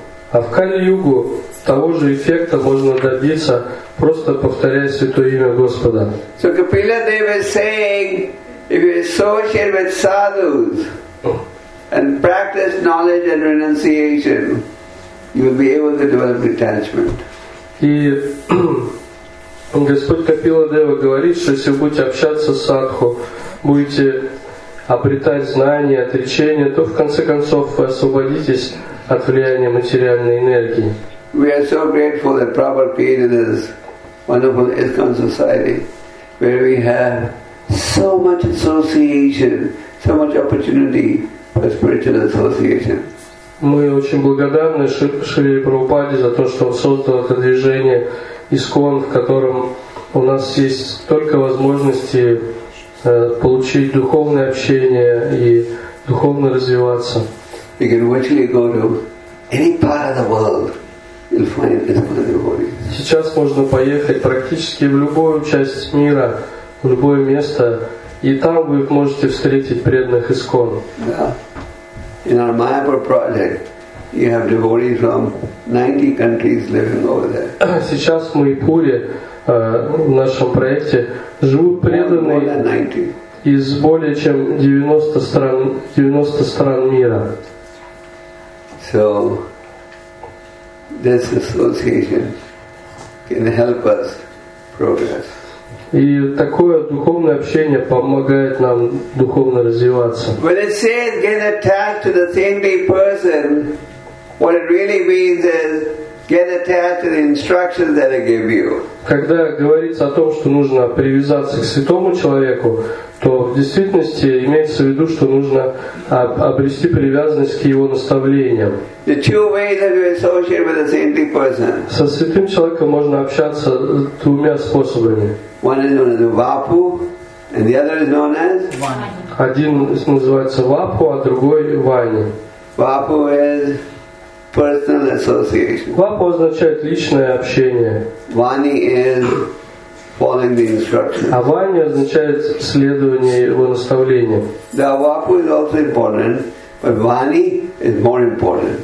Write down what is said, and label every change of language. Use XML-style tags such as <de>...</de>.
<ru>А в Кали-югу того же эффекта можно добиться, просто повторяя святое имя Господа.</ru> <en>So Kapila Dev is saying, if you associate with sadhus and practice knowledge and renunciation, you will be able to develop detachment.</en> <ru>И Господь Капила Дева говорит, что если вы будете общаться с садху, будете обретать знания, отречения, то в конце концов вы освободитесь от влияния материальной энергии.</ru> <en>We are so grateful that Prabhupada created this wonderful ISKCON society where we have so much association, so much opportunity for spiritual association.</en> <ru>Мы очень благодарны Шри Прабхупаде за то, что он создал это движение ИСКОН, в котором у нас есть только возможности получить духовное общение и духовно развиваться.</ru> <en>You can virtually go to any part of the world, you'll find this one devotee.</en> <ru>Сейчас можно поехать практически в любую часть мира, в любое место, и там вы можете встретить преданных ИСККОН.</ru> <en>Yeah. In our Mayapur project, you have devotees from 90 countries living over there.</en> <ru>Сейчас в Майпуре, в нашем проекте, живут преданные из более чем 90 стран мира.</ru> <en>So, this association can help us progress.</en> <ru>И такое духовное общение помогает нам духовно развиваться.</ru> <en>When it says get attached to the saintly person, what it really means is get attached to the instructions that I give you.</en> <ru>Когда говорится о том, что нужно привязаться к святому человеку, то в действительности имеется в виду, что нужно обрести привязанность к его наставлениям.</ru> <en>The two ways that you associate with a saintly person.</en> <ru>Со святым человеком можно общаться двумя способами.</ru> <en>One is known as Vapu, and the other is known as Vani.</en> <ru>Один называется Вапу, а другой Вани.</ru> <en>Vapu is personal association.</en> <ru>Вапу означает личное общение.</ru> <en>Vani is following the instructions.</en> <ru>А Вани означает следование его наставлениям.</ru> <en>The Vapu is also important, but Vani is more important.</en>